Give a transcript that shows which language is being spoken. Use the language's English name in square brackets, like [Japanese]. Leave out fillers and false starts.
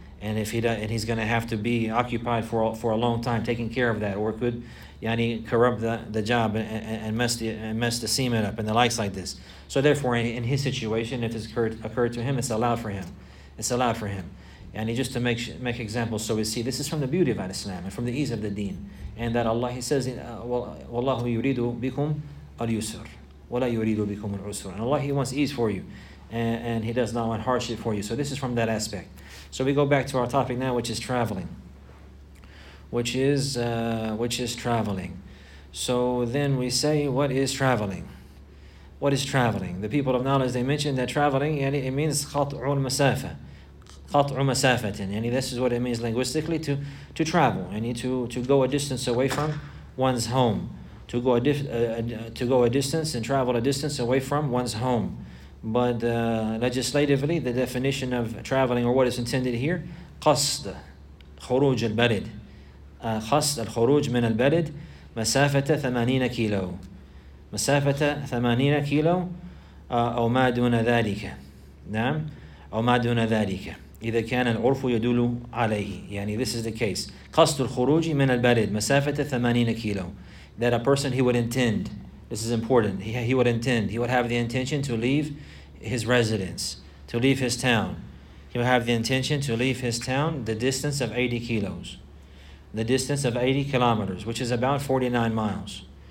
[English] And he's going to have to be occupied for a long time taking care of that, or could corrupt the job and mess the cement up and the likes like this. So therefore, in his situation, if it's occurred to him, it's allowed for him. It's allowed for him. And just to make examples, so we see this is from the beauty of Islam and from the ease of the deen. And that Allah, he says, [Arabic] وَاللَّهُ يُرِيدُ بِكُمْ الْيُسْرَ وَلَا يُرِيدُ بِكُمْ الْعُسْرَ. [English] And Allah, he wants ease for you, and he does not want hardship for you. So this is from that aspect. So we go back to our topic now, which is traveling. Which is traveling. So then we say, what is traveling? What is traveling? The people of knowledge, they mentioned that traveling, it means [Arabic] قَطْعُ الْمَسَافَةِ. قَطْعُ مَسَافَةٍ. [English] This is what it means linguistically, to travel. To go a distance away from one's home. To go a distance and travel a distance away from one's home. But legislatively, the definition of traveling, or what is intended here, [Arabic] قصد خروج البلد. قصد الخروج من البلد مسافة 80 كيلو. مسافة 80 كيلو أو ما دون ذلك. نعم أو ما دون ذلك إذا كان العرف يدل عليه. [English] This is the case. [Arabic] قصد الخروج من البلد مسافة 80 كيلو. [English] That a person, he would intend. This is important. He would intend. He would have the intention to leave his residence, to leave his town. He would have the intention to leave his town the distance of 80 kilos. The distance of 80 kilometers, which is about 49 miles.